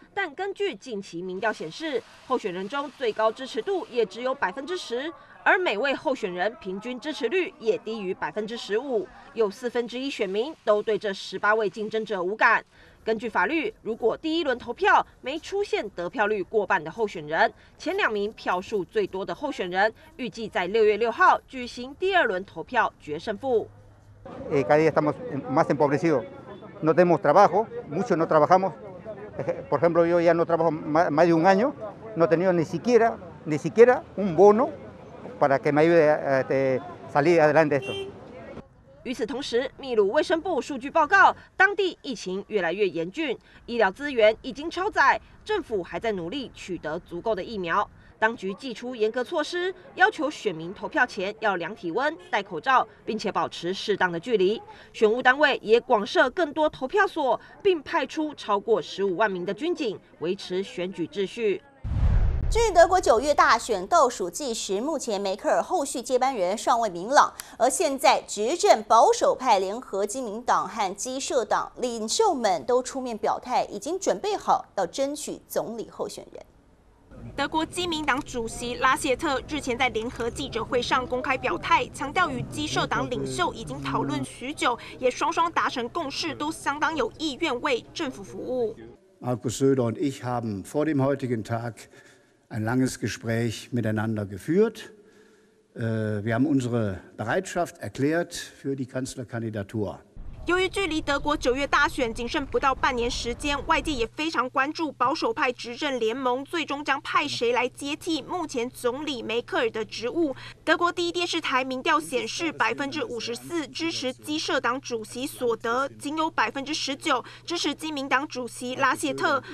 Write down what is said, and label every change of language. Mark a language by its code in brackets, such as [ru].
[zh] 但根据近期民调显示，候选人中最高支持度也只有10%，而每位候选人平均支持率也低于15%，有1/4选民都对这18位竞争者无感。根据法律，如果第一轮投票没出现得票率过半的候选人，前两名票数最多的候选人预计在6月6号举行第二轮投票决胜负。 [es] Cada día estamos más empobrecidos, no tenemos trabajo, muchos no trabajamos. Por ejemplo, yo ya no trabajo más de un año, no he tenido ni siquiera un bono para que me ayude a salir adelante esto. [zh] 与此同时，秘鲁卫生部数据报告，当地疫情越来越严峻，医疗资源已经超载，政府还在努力取得足够的疫苗。当局祭出严格措施，要求选民投票前要量体温、戴口罩，并且保持适当的距离。选务单位也广设更多投票所，并派出超过15万名的军警维持选举秩序。至于德国九月大选倒数计时，目前梅克尔后续接班人尚未明朗，而现在执政保守派联合基民党和基社党领袖们都出面表态，已经准备好要争取总理候选人。德国基民党主席拉谢特日前在联合记者会上公开表态，强调与基社党领袖已经讨论许久，也双双达成共识，都相当有意愿为政府服务。 [de] Markus Söder und ich haben vor dem heutigen Tag ein langes Gespräch miteinander geführt. Wir haben unsere Bereitschaft erklärt für die Kanzlerkandidatur. [zh] 由于距离德国九月大选仅剩不到半年时间，外界也非常关注保守派执政联盟最终将派谁来接替目前总理梅克尔的职务。德国第一电视台民调显示，54%支持基社党主席索德，仅有19%支持基民党主席拉谢特。